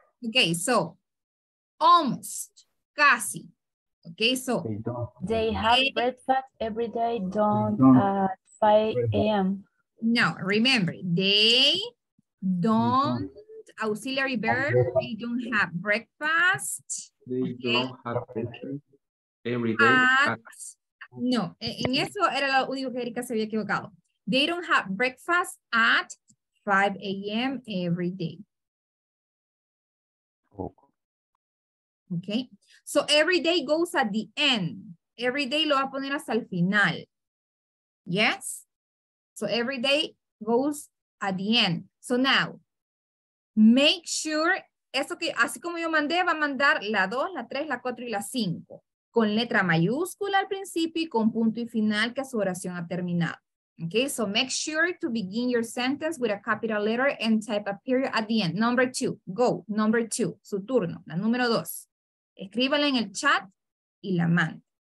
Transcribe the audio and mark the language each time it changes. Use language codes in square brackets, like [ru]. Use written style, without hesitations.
[en] Okay, so almost, [es] casi. [en] Okay, so they have breakfast every day at 5 a.m. No, remember, they don't, auxiliary verb, they don't have breakfast. They okay. don't have breakfast every day. [es] No, en eso era lo único que Erika se había equivocado. [en] They don't have breakfast at 5 a.m. every day. Okay, so every day goes at the end. Every day [es] lo va a poner hasta el final. [en] Yes? So every day goes at the end. So now, make sure, [es] eso que así como yo mandé, va a mandar la 2, la 3, la 4 y la 5. Con letra mayúscula al principio y con punto y final que su oración ha terminado. [en] Okay, so make sure to begin your sentence with a capital letter and type a period at the end. Number 2, go. Number 2, [es] su turno, la número 2. Escríbala en el chat y la manda.